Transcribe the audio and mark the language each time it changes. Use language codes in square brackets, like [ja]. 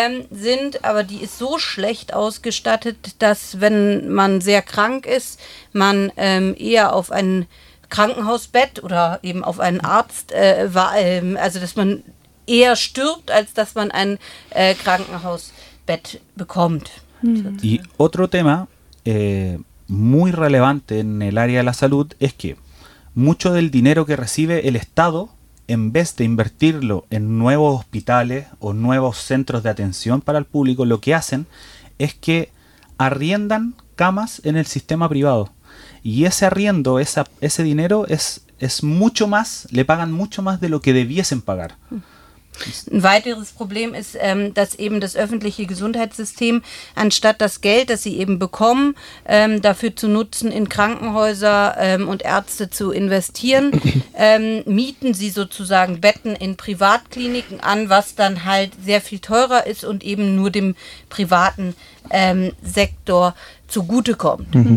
[de] sind, aber die ist so schlecht ausgestattet, dass wenn man sehr krank ist, man eher auf ein Krankenhausbett oder eben auf einen Arzt, also dass man eher stirbt, als dass man ein Krankenhausbett bekommt. [es] Y otro tema muy relevante en el área de la salud es que mucho del dinero que recibe el Estado, en vez de invertirlo en nuevos hospitales o nuevos centros de atención para el público, lo que hacen es que arriendan camas en el sistema privado. Y ese arriendo, ese dinero es mucho más, le pagan mucho más de lo que debiesen pagar. [de] Ein weiteres Problem ist, dass eben das öffentliche Gesundheitssystem, anstatt das Geld, das sie eben bekommen, dafür zu nutzen, in Krankenhäuser und Ärzte zu investieren, mieten sie sozusagen Betten in Privatkliniken an, was dann halt sehr viel teurer ist und eben nur dem privaten Sektor zugutekommt.